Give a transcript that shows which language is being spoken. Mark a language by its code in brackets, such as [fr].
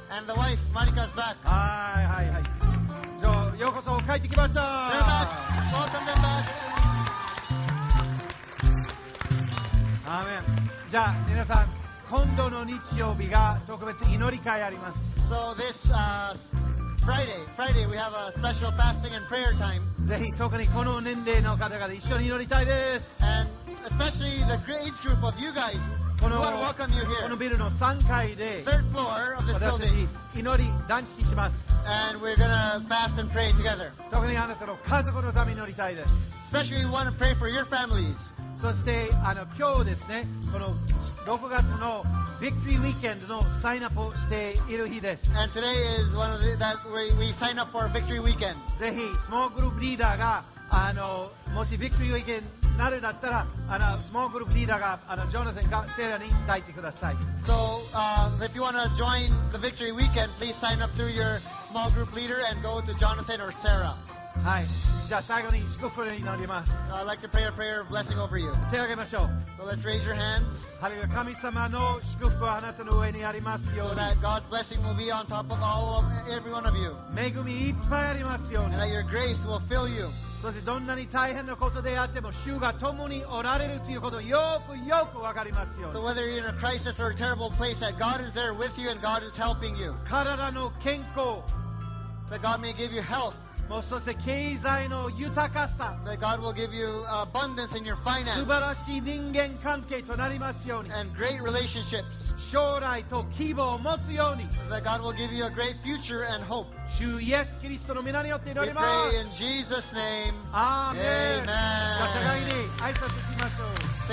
[en] And the wife, Marika's back. [ja] はいはいはい。じゃあようこそ帰ってきました。 [en] They're back. Welcome them back. [ja] アーメン。じゃあ皆さん、今度の日曜日が特別祈り会あります。 [en] So this Friday, we have a special fasting and prayer time. [ja] ぜひ特にこの年齢の方々一緒に祈りたいです。 [en] And especially the great age group of you guys, we want to welcome you here. [ja] このビルの3階で [en] Third floor of this building. [ja] 私たち祈り断食します。 [en] And we're going to fast and pray together. [ja] 特にあなたの家族のために祈りたいです。 [en] Especially we want to pray for your families. [ja] そして今日ですね、この6月のビクトリーウィークエンドのサインアップをしている日です。 [en] And today is one of the, that we sign up for Victory Weekend. [ja] ぜひ、スモールグループリーダーが、もしビクトリーウィークエンドになるだったら、スモールグループリーダーが、ジョナサンがセラに抱いてください。 [en] So, if you want to join the Victory Weekend, please sign up through your small group leader and go to Jonathan or Sarah. [ja] はい、じゃあ最後に祝福を祈ります。 [en] I'd like to pray a prayer of blessing over you. [ja] 手を挙げましょう。 [en] So let's raise your hands. [ja] ハレルヤ、神様の祝福はあなたの上にありますように。 [en] So that God's blessing will be on top of all of every one of you. [ja] 恵みいっぱいありますように。 [en] And that your grace will fill you. [ja] そしてどんなに大変なことであっても、主が共におられるということをよくよくわかりますように。 [en] So whether you're in a crisis or a terrible place, that God is there with you and God is helping you. [ja] 体の健康。 [en] That God may give you health. [ja] もうそして経済の豊かさ、 [en] that God will give you abundance in your finance. [ja] 素晴らしい人間関係となりますように。 [en] And great relationships. [ja] 将来と希望を持つように。 [en] That God will give you a great future and hope. [ja] 主イエスキリストの皆によって祈ります。 [en] We pray in Jesus' name. Amen. Amen. [ja] じゃあ互いに挨拶しましょう。